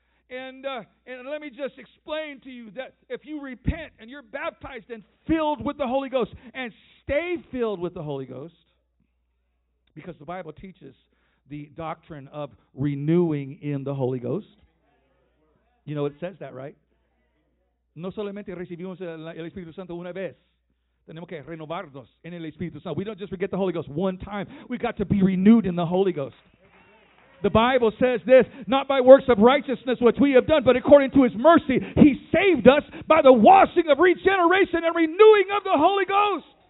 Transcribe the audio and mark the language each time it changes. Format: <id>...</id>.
<en>And let me just explain to you that if you repent and you're baptized and filled with the Holy Ghost and stay filled with the Holy Ghost, because the Bible teaches the doctrine of renewing in the Holy Ghost. You know it says that, right?</en> <es>No solamente recibimos el Espíritu Santo una vez. Tenemos que renovarnos en el Espíritu Santo.</es> <en>We don't just forget the Holy Ghost one time. We've got to be renewed in the Holy Ghost. The Bible says this, not by works of righteousness which we have done, but according to his mercy, he saved us by the washing of regeneration and renewing of the Holy Ghost.</en>